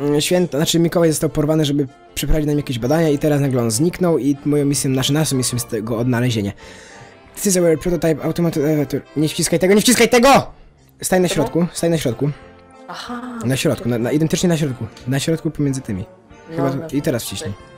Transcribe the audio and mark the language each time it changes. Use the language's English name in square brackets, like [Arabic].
[Polish] Święto, znaczy Mikołaj został porwany, żeby przeprowadzić nam jakieś badania i teraz nagle on zniknął i moją misją, naszą misją jest tego odnalezienie. [English] This is our prototype automated elevator. [Polish] Nie wciskaj tego, nie wciskaj tego! Staj na środku, staj na środku. Aha. Na środku, na identycznie na środku. Na środku pomiędzy tymi. Chyba no, tu, i teraz wciśnij.